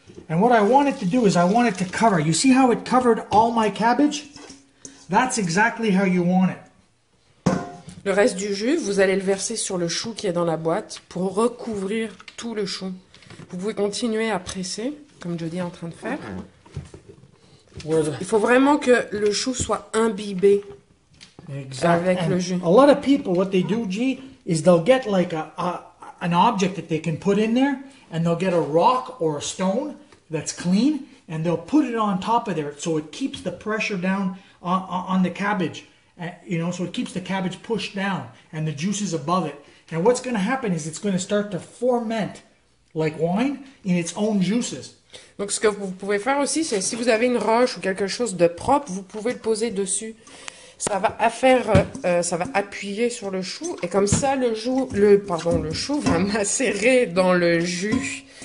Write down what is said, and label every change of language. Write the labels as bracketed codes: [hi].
[en] And what I want it to do is I want it to cover. You see how it covered all my cabbage? That's exactly how you want it. [fr] Le reste du jus, vous allez le verser sur le chou qui est dans la boîte pour recouvrir tout le chou. Vous pouvez continuer à presser, comme Jody est en train de faire. Il faut vraiment que le chou soit imbibé avec le jus. [en] A lot of people, what they do, G, is they'll get like an object that they can put in there and they'll get a rock or a stone that's clean, and they'll put it on top of there so it keeps the pressure down on the cabbage, you know, so it keeps the cabbage pushed down and the juices above it. And what's going to happen is it's going to start to ferment like wine in its own juices. [fr] Donc ce que vous pouvez faire aussi, c'est si vous avez une roche ou quelque chose de propre, vous pouvez le poser dessus. Ça va appuyer sur le chou, et comme ça, le chou va macérer dans le jus.